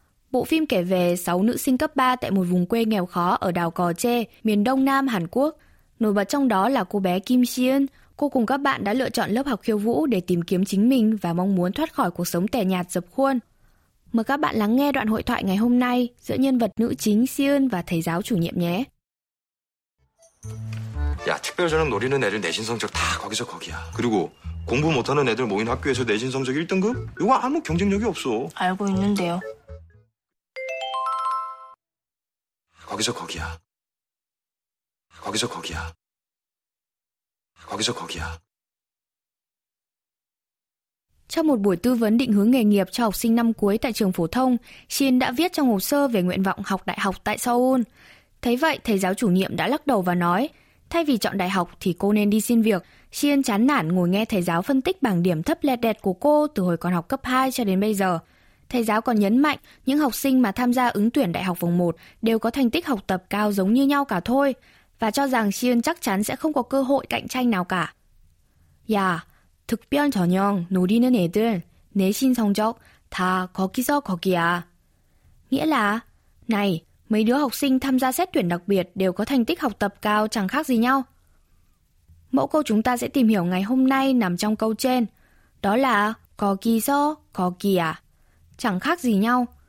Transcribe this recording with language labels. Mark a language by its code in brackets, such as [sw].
[vi] Bộ phim kể về 6 nữ sinh cấp 3 tại một vùng quê nghèo khó ở đảo Cò Chê, miền Đông Nam Hàn Quốc. Nổi bật trong đó là cô bé Kim Si-eun. Cô cùng các bạn đã lựa chọn lớp học khiêu vũ để tìm kiếm chính mình và mong muốn thoát khỏi cuộc sống tẻ nhạt dập khuôn. Mời các bạn lắng nghe đoạn hội thoại ngày hôm nay giữa nhân vật nữ chính Si-eun và thầy giáo chủ nhiệm nhé. [ko] 야, 특별전형 노리는 애들 내신 성적 다 거기서 거기야. 그리고 공부 못하는 애들 모인 학교에서 내신 성적 1등급? 이거 아무 경쟁력이 없어. 알고 있는데요. 거기서 거기야. 거기서 거기야. 거기서 거기야. [vi] Trong một buổi tư vấn định hướng nghề nghiệp cho học sinh năm cuối tại trường phổ thông, Si-eun đã viết trong hồ sơ về nguyện vọng học đại học tại Seoul. Thấy vậy, thầy giáo chủ nhiệm đã lắc đầu và nói, thay vì chọn đại học thì cô nên đi xin việc. Si-eun chán nản ngồi nghe thầy giáo phân tích bảng điểm thấp lẹt đẹt của cô từ hồi còn học cấp 2 cho đến bây giờ. Thầy giáo còn nhấn mạnh, những học sinh mà tham gia ứng tuyển đại học vòng 1 đều có thành tích học tập cao giống như nhau cả thôi, và cho rằng Si-eun chắc chắn sẽ không có cơ hội cạnh tranh nào cả. Dạ. [ko] 특별 전형 노리는 애들 내신 성적 다 거기서 거기야. [vi] Nghĩa là, này, mấy đứa học sinh tham gia xét tuyển đặc biệt đều có thành tích học tập cao chẳng khác gì nhau. Mẫu câu chúng ta sẽ tìm hiểu ngày hôm nay nằm trong câu trên. Đó là [ko] 거기서 거기야, [vi] chẳng khác gì nhau.